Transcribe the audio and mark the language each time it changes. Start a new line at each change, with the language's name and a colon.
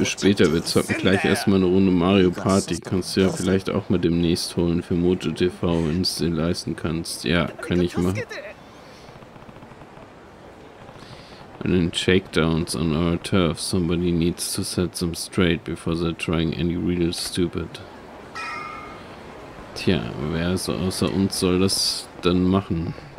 German: Später, wir zocken gleich erstmal eine Runde Mario Party. Kannst du ja vielleicht auch mal demnächst holen für MotoTV, wenn du es dir leisten kannst. Ja, kann ich machen.
English: And in shakedowns on our turf, somebody needs to set some straight before they're trying any real stupid.
German: Tja, wer so außer uns soll das denn machen?